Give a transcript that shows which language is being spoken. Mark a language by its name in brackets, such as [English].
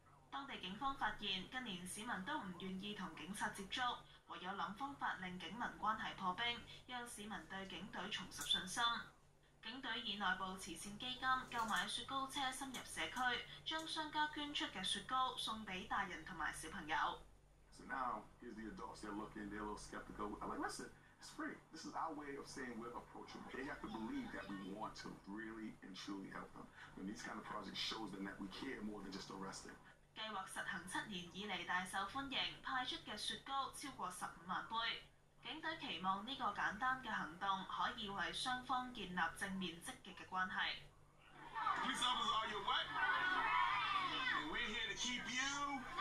[Cantonese] 当地警方发现，近年市民都唔愿意同警察接触，唯有谂方法令警民关系破冰，让市民对警队重拾信心。警队以内部慈善基金购买雪糕车，深入社区，将商家捐出的雪糕送给大人和小朋友。 [English] So now here's the adults. They're looking. They're a little skeptical. I'm like, listen, it's free. This is our way of saying we're approachable. They have to believe that we want to really and truly help them. When these kind of projects shows them that we care more than just arresting. [Cantonese] 计划实行七年以嚟大受欢迎，派出的雪糕超过150,000杯。警队期望这个简单的行动可以为双方建立正面积极的关系。 [English] Police officers, are you what? We're here to keep you.